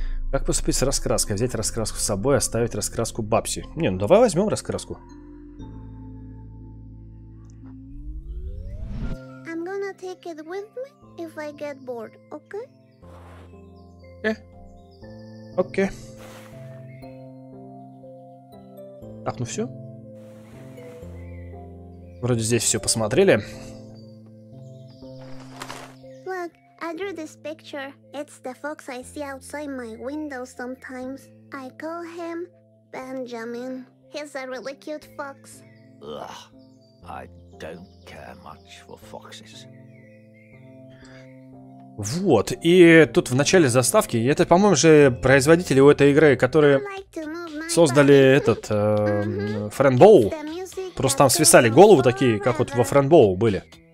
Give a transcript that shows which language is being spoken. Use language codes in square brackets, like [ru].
[ru] Как поступить с раскраской? Взять раскраску с собой, оставить раскраску Бабси? Не, ну давай возьмем раскраску. [en] I'm gonna take it with me if I get bored, okay? Okay. Okay. [ru] Так, ну все. Вроде здесь все посмотрели. [en] Look, I drew this picture. It's the fox I see outside my window sometimes. I call him Benjamin. He's a really cute fox. Ugh, I don't care much for foxes. [ru] Вот, и тут в начале заставки, это, по-моему, же производители у этой игры, которые создали этот Френбоу. Просто там свисали голову такие, как вот во Френбоу были.